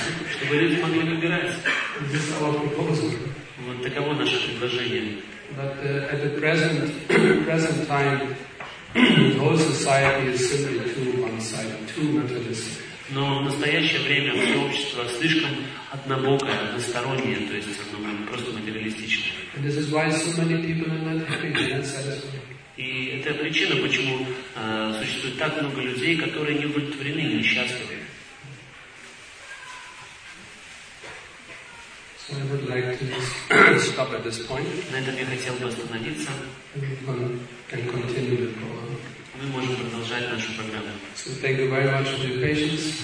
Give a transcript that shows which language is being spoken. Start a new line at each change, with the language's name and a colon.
Russian: Чтобы люди могли выбирать.
English: This is our proposal.
Russian: Вот таково наше предложение.
English: But at the present time, the whole society is simply too one-sided, too materialistic.
Russian: Но в настоящее время общество слишком однобокое, одностороннее, то есть оно просто материалистичное.
English: And this is why so many people are not happy, they're not satisfied.
Russian: И это причина, почему существует так много людей, которые не удовлетворены, не счастливы.
English: So I would like to stop at this point.
Russian: На этом я хотел бы остановиться.
English: And continue the program.
Russian: Мы можем продолжать нашу программу.
English: So thank you very much for your patience.